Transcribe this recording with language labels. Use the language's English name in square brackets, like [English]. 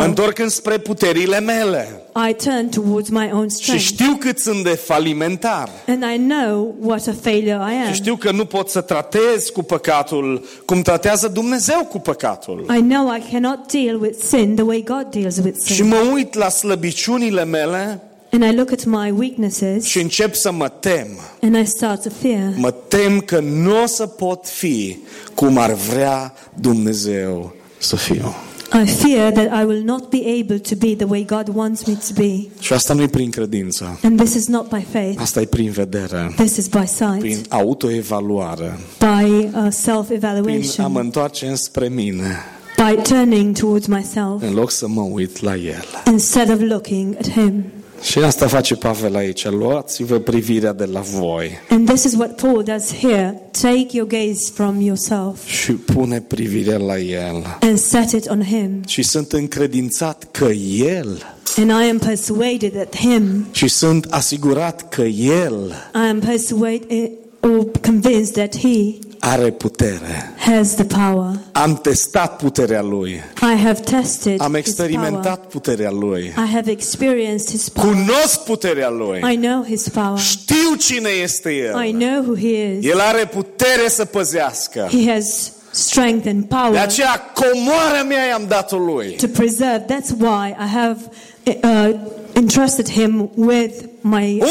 [Romanian] Mă întorc înspre puterile mele. [English] I turn towards my own strength. [Romanian] Și știu cât sunt de falimentar. [English] And I know what a failure I am. [Romanian] Și știu că nu pot să tratez cu păcatul cum tratează Dumnezeu cu păcatul. [English] I know I cannot deal with sin the way God deals with sin. [Romanian] Și mă uit la slăbiciunile mele. [English] And I look at my weaknesses. [Romanian] Și încep să mă tem. [English] And I start to fear. [Romanian] Mă tem că n-o să pot fi cum ar vrea Dumnezeu să fiu. [English] I fear that I will not be able to be the way God wants me to be. [Romanian] Și asta nu e prin credință. [English] And this is not by faith. [Romanian] Asta e prin vedere. [English] This is by sight. [Romanian] Prin autoevaluare. [English] By self-evaluation. [Romanian] Prin a mă întoarce înspre mine. [English] By turning towards myself. [Romanian] În loc să mă uit la El. [English] Instead of looking at Him. [Romanian] Și asta face Pavel aici. Luați-vă privirea de la voi. [English] And this is what Paul does here. Take your gaze from yourself. [Romanian] Și pune privirea la El. [English] And set it on Him. [Romanian] Și sunt încredințat că El. [English] And I am persuaded that Him. [Romanian] Și sunt asigurat că El. [English] I am persuaded or convinced that He. [Romanian] Are putere. [English] Has the power. [Romanian] Am testat puterea Lui. [English] I have tested. [Romanian] Am experimentat puterea Lui. [English] I have experienced His power. [Romanian] Cunosc puterea Lui. [English] I know His power. [Romanian] Știu cine este El. [English] I know who He is. [Romanian] El are putere să păzească. [English] He has strength and power. [Romanian] De aceea comoara mea i-am dat-o Lui. [English] To preserve. That's why I have entrusted Him with my treasure.